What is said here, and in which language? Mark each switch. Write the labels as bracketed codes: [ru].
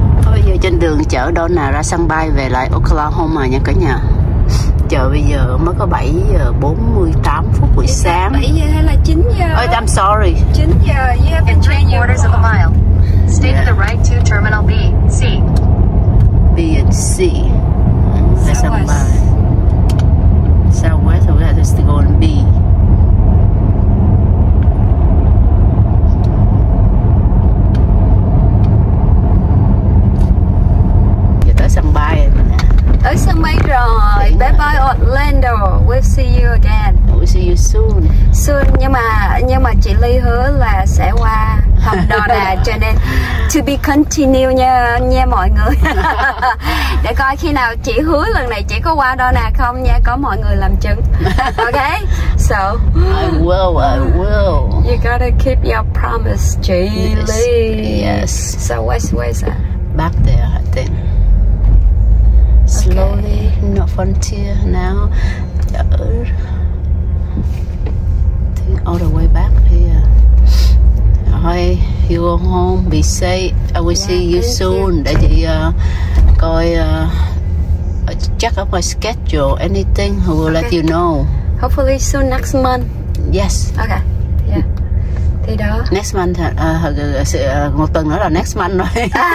[vi] Bây giờ trên đường chở Donna ra sân bay về lại Oklahoma nha cả nhà. Chờ bây giờ mới có 7 giờ 48 phút buổi sáng. 7 giờ hay là 9 giờ? [en] Oh, I'm sorry. 9 giờ, you have been 3 quarters of a mile. Stay to the right to terminal B, C. B and C. [vi] Ra sân bay. [en] Southwest, we have to go on B. [vi] Giờ tới sân bay rồi nè. Tới sân bay rồi. [en] Bye bye Orlando. We'll see you again. We'll see you soon. [vi] Soon, nhưng mà chị Ly hứa là sẽ qua học đò nè. Cho nên [en] to be continue [vi] nha mọi người. Để coi khi nào chị hứa lần này chị có qua đâu nè không nha, có mọi người làm chứng. [en] Ok, so I will. You gotta keep your promise, Jay Lee. Yes. So where's that? Back there, I think. Slowly, okay. Not frontier now. All the way back here. Hi, you go home, be safe. I will see you soon. You. [vi] Để chị coi [en] check up my schedule, anything, I will let you know. Hopefully soon next month. Yes. Okay. Yeah. [vi] Thì đó. Next month, một tuần nữa là next month rồi.